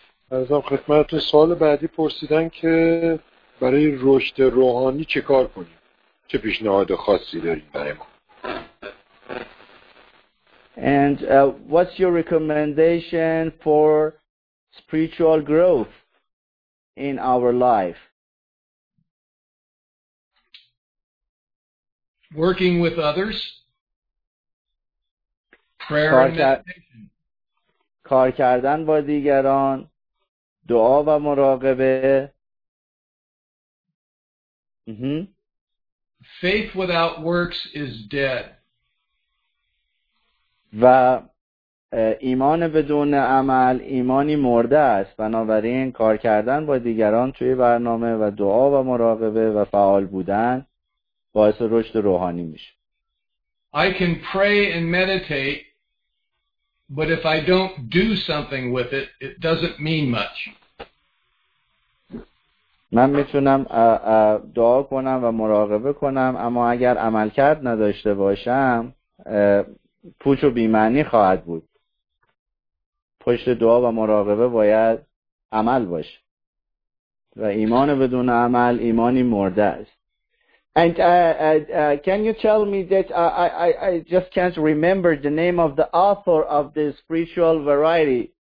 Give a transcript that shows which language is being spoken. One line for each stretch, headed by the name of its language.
Persian: از هم خدمتتون سوال بعدی پرسیدن که برای رشد روحانی چه کار کنیم؟ چه پیشنهاد خاصی داریم برای ما؟
English: And what's your recommendation for spiritual growth in our life? Working with others, prayer and meditation.
Persian: کار کردن با دیگران، دعا و مراقبه.
English: Faith without works is dead.
Persian: و ایمان بدون عمل ایمانی مرده است. بنابراین کار کردن با دیگران توی برنامه و دعا و مراقبه و فعال بودن باعث رشد روحانی میشه.
English: I can pray and meditate, but if I don't do something with it, it doesn't mean much.
Persian: من میتونم دعا کنم و مراقبه کنم، اما اگر عمل کرد نداشته باشم پوچ و بی‌معنی خواهد بود. پشت دعا و مراقبه باید عمل باشه، و ایمان بدون عمل ایمانی مرده است.
English: And can you tell me that I just can't remember the name of the author of the spiritual variety?